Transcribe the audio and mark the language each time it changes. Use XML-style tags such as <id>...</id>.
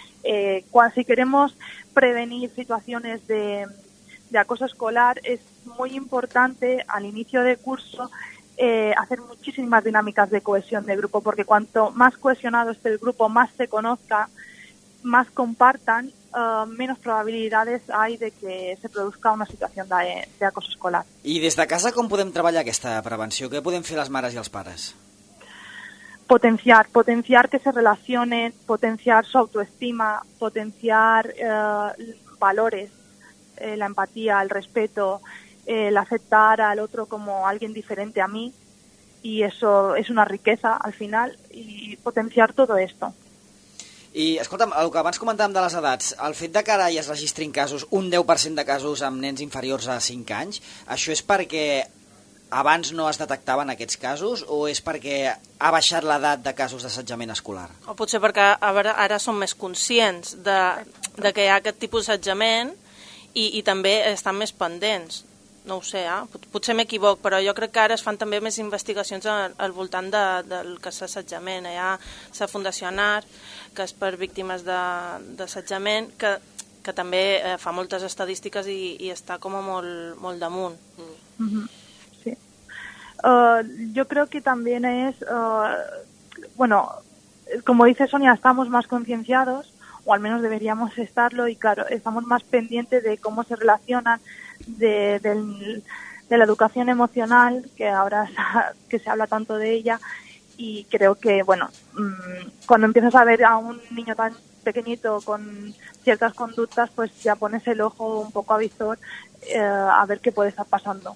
<es>Si queremos prevenir situaciones de acoso escolar, es muy importante al inicio de curso hacer muchísimas dinámicas de cohesión de grupo, porque cuanto más cohesionado esté el grupo, más se conozca, más compartan, menos probabilidades hay de que se produzca una situación de acoso escolar.</es> <ca>I des de casa com podem treballar aquesta prevenció? Què podem fer les mares i els pares?</ca> <es>Potenciar que se relacionen, potenciar su autoestima, potenciar valores, la empatía, el respeto, el aceptar al otro como alguien diferente a mí, y eso es una riqueza al final, y potenciar todo esto.</es> <ca>I, escolta'm, el que abans comentàvem de les edats, el fet de que ara ja es registrin casos, un 10% de casos amb nens inferiors a 5 anys, això és perquè abans no es detectaven aquests casos o és perquè ha baixat l'edat de casos d'assetjament escolar? O potser perquè ara som més conscients de que hi ha aquest tipus d'assetjament i també estan més pendents. No ho sé, potser m'equivoc, però jo crec que ara es fan també més investigacions al voltant del que és l'assetjament. Hi ha la Fundació ANAR, que és per víctimes d'assetjament, que també fa moltes estadístiques i està com molt damunt. Mm-hmm. Sí.</ca> <es>Yo creo que también es, bueno, como dice Sonia, estamos más concienciados, o al menos deberíamos estarlo, y claro, estamos más pendientes de cómo se relacionan, de la educación emocional, que ahora que se habla tanto de ella, y creo que, bueno, cuando empiezas a ver a un niño tan pequeñito con ciertas conductas, pues ya pones el ojo un poco avizor a ver</es> <ca>què pot estar passant.</ca>